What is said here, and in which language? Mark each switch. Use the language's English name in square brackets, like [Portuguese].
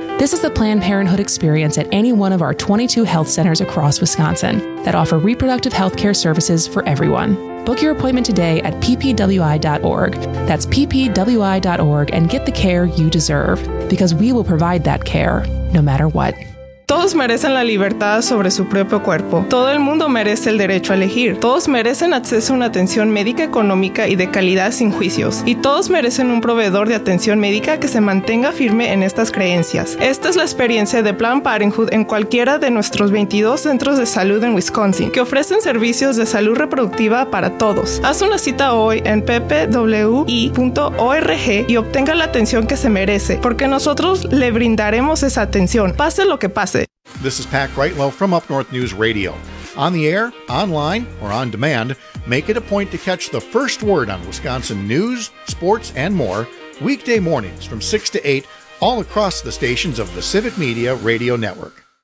[English] This is the Planned Parenthood experience at any one of our 22 health centers across Wisconsin that offer reproductive healthcare services for everyone. Book your appointment today at ppwi.org. That's ppwi.org, and get the care you deserve, because we will provide that care no matter what. [Spanish] Todos merecen la libertad sobre su propio cuerpo. Todo el mundo merece el derecho a elegir. Todos merecen acceso a una atención médica económica y de calidad sin juicios. Y todos merecen un proveedor de atención médica que se mantenga firme en estas creencias. Esta es la experiencia de Planned Parenthood en cualquiera de nuestros 22 centros de salud en Wisconsin, que ofrecen servicios de salud reproductiva para todos. Haz una cita hoy en ppwi.org y obtenga la atención que se merece, porque nosotros le brindaremos esa atención, pase lo que pase. [English] This is Pat Greitlow from Up North News Radio. On the air, online, or on demand, make it a point to catch the first word on Wisconsin news, sports, and more weekday mornings from 6 to 8 all across the stations of the Civic Media Radio Network.